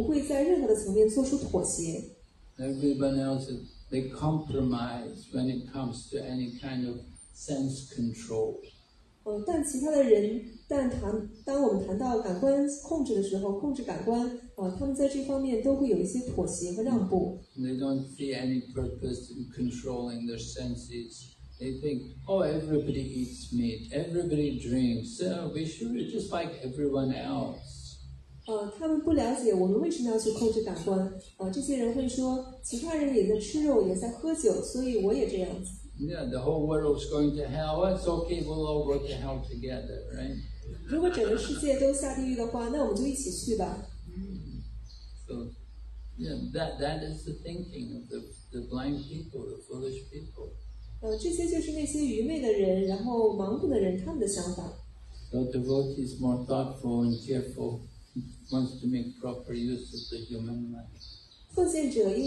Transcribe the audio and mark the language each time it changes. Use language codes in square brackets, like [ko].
[zh] 所以我们要尽量的去听菩萨瓦坛上的一些故事，比如说普鲁图国王的事迹。虽然他是一个国王，他的人格非常的崇高，他不会在任何的层面做出妥协。 [en] Everyone else, they compromise when it comes to any kind of sense control. [zh] 但其他的人，当我们谈到感官控制的时候，控制感官，他们在这方面都会有一些妥协和让步。 [en] They don't see any purpose in controlling their senses. They think, oh, everybody eats meat, everybody drinks, so we should be just like everyone else. [zh] 他们不了解我们为什么要去控制感官。这些人会说，其他人也在吃肉，也在喝酒，所以我也这样子。 [en] the whole world is going to hell, it's okay, we'll all go to hell together, right? [zh] 如果整个世界都下地狱的话, 那我们就一起去吧。 [en] So, that is the thinking of the blind people, the foolish people. [zh] 这些就是那些愚昧的人，然后盲目的人，他们的想法。 [en] So devotee is more thoughtful and careful, wants to make proper use of the human life.